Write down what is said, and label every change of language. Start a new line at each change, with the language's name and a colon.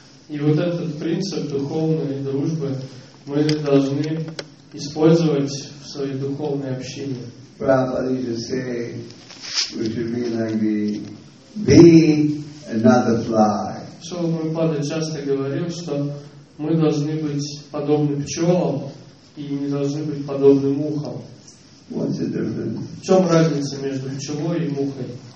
Russian: И вот этот принцип духовной дружбы мы должны использовать в своей духовной общине.
English: Prabhupada used to say, we should be like the bee and not the fly.
Russian: Прабхупада часто говорил, что мы должны быть подобны пчелам и не должны быть подобны мухам.
English: What's the difference?
Russian: В чем разница между пчелой и мухой?